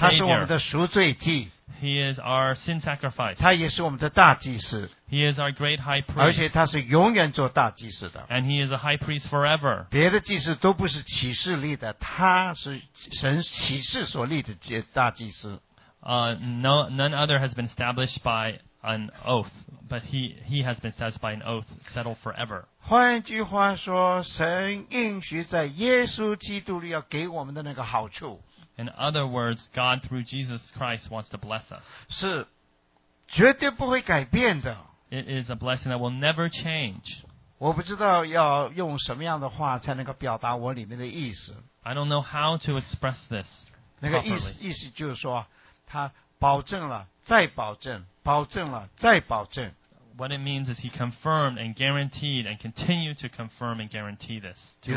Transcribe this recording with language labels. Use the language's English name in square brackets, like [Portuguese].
[Chinese] 他是我们的赎罪祭。 [English] He is our sin sacrifice. [Chinese] 他也是我们的大祭司。 [English] He is our great high priest. [Chinese] 而且他是永远做大祭司的。 [English] And he is a high priest forever. [Chinese] 别的祭司都不是启示立的，他是神启示所立的大祭司。 [English] None other has been established by an oath, but he has been established by an oath settled forever. [Chinese] 换句话说，神应许在耶稣基督里要给我们的那个好处。 [English] In other words, God through Jesus Christ wants to bless us. [Chinese] 是绝对不会改变的。 [English] It is a blessing that will never change. [Chinese] 我不知道要用什么样的话才能够表达我里面的意思。 [English] I don't know how to express this properly. [Chinese] 那个意思就是说，他保证了，再保证，保证了，再保证。 [English] What it means is he confirmed and guaranteed and continued to confirm and guarantee this to us.